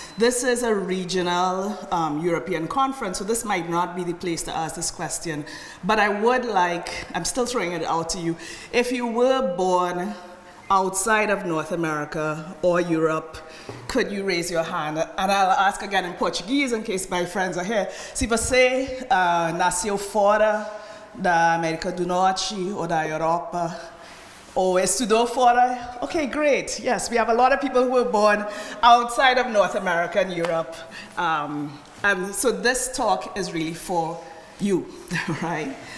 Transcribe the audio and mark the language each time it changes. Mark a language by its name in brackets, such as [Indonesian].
[English] This is a regional European conference, so this might not be the place to ask this question, but I would like, I'm still throwing it out to you, if you were born outside of North America or Europe, could you raise your hand? And I'll ask again in Portuguese in case my friends are here. [Portuguese] Se você nasceu fora da América do Norte ou da Europa, ou estudou fora? [English] Okay, great. Yes, we have a lot of people who were born outside of North America and Europe. And so this talk is really for you, right?